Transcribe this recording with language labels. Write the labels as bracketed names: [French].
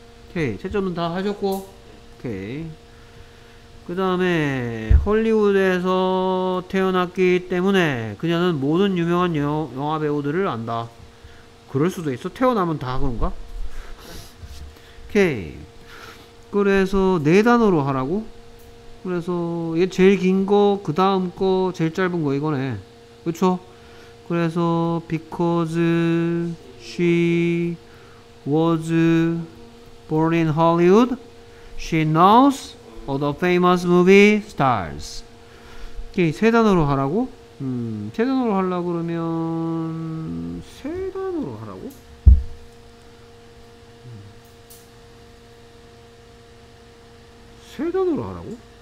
[Korean] 오케이, 채점은 다 하셨고. 오케이. 그 다음에 헐리우드에서 태어났기 때문에 그녀는 모든 유명한 영화 배우들을 안다. 그럴 수도 있어. 태어나면 다 그런가? 오케이. 그래서 네 단어로 하라고? 그래서 얘 제일 긴 거, 그 다음 거, 제일 짧은 거 이거네. 그쵸? [English] 그래서 because she was born in Hollywood, she knows all the famous movie stars. [Korean] 오케이, 세 단어로 하라고? 세 단어로 하려고 그러면 세 단어로 하라고? 세 단어로 하라고?